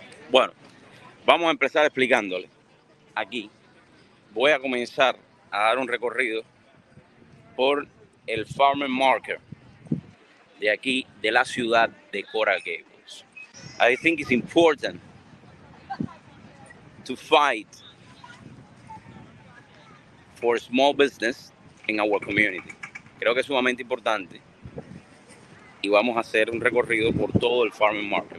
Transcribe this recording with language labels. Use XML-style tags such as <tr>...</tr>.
<es>Bueno, vamos a empezar explicándole. Aquí voy a comenzar a dar un recorrido por el Farmer Market de aquí, de la ciudad de Coral Gables.</es> <en>I think it's important to fight for small business in our community.</en> <es>Creo que es sumamente importante. Y vamos a hacer un recorrido por todo el Farmer Market.</es>